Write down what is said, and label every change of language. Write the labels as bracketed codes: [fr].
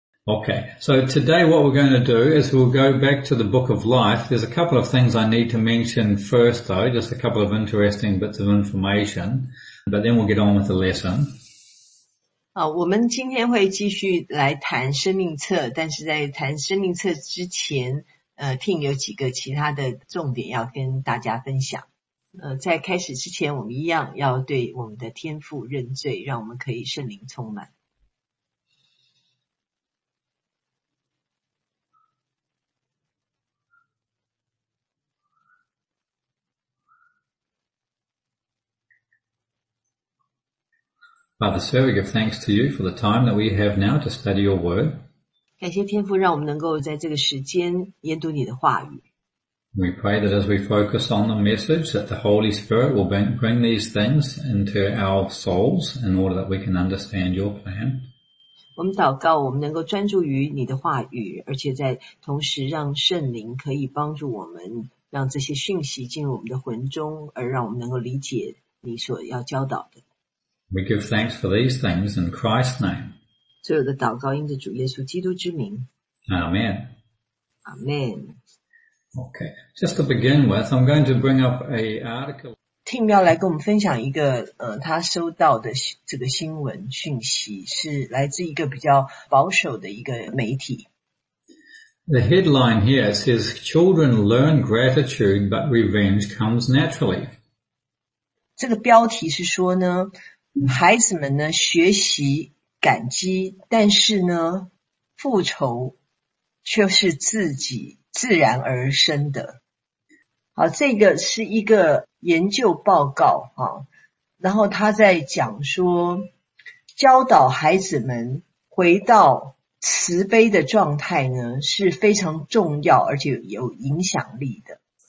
[en] Okay, so today what we're going to do is we'll go back to the Book of Life. There's a couple of things I need to mention first, though, just a couple of interesting bits of information, but then we'll get on with the lesson. [zh] 我们今天会继续来谈生命册，但是在谈生命册之前，Tim 有几个其他的重点要跟大家分享。在开始之前，我们一样要对我们的天父认罪，让我们可以圣灵充满。 [en] Father, sir, we give thanks to you for the time that we have now to study your word. [zh] 感谢天父让我们能够在这个时间研读你的话语。 [en] We pray that as we focus on the message, that the Holy Spirit will bring these things into our souls in order that we can understand your plan. [zh] 我们祷告我们能够专注于你的话语，而且在同时让圣灵可以帮助我们，让这些讯息进入我们的魂中，而让我们能够理解你所要教导的。 [en] We give thanks for these things in Christ's name. [zh] 所有的祷告因着主耶稣基督之名。 [en] Amen. Amen. Okay, just to begin with, I'm going to bring up an article. [zh] Tim 要来跟我们分享一个他收到的这个新闻讯息，是来自一个比较保守的一个媒体。 [en] The headline here says, "Children learn gratitude, but revenge comes naturally." [zh] 这个标题是说呢。孩子们呢学习感激，但是呢复仇却是自己自然而生的。好，这个是一个研究报告啊，然后他在讲说，教导孩子们回到慈悲的状态呢是非常重要而且有影响力的。